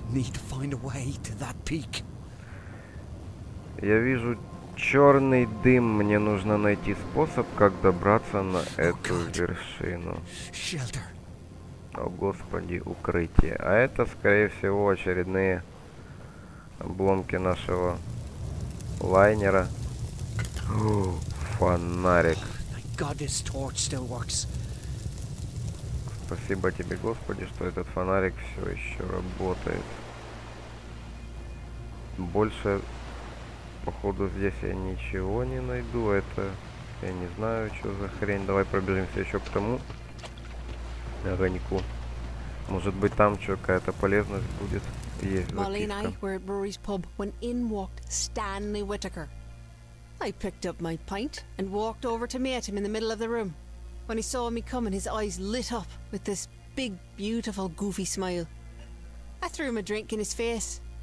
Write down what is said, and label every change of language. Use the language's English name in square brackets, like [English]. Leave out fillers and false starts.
[English] Need to find a way to that peak. [Russian] Я вижу черный дым. Мне нужно найти способ, как добраться на эту вершину. [English] Shelter. [Russian] О, господи, укрытие. А это, скорее всего, очередные обломки нашего лайнера. О, фонарик. Спасибо тебе, господи, что этот фонарик все еще работает. Больше, походу, здесь я ничего не найду. Это я не знаю, что за хрень. Давай пробежимся еще к тому огоньку. Может быть, там что, какая-то полезность будет. Есть записка. [English] Molly and I were at Murray's pub when in walked Stanley Whittaker. I picked up my pint and walked over to meet him in the middle of the room. When he saw me coming, his eyes lit up with this big, beautiful, goofy smile. I threw him a drink in his face.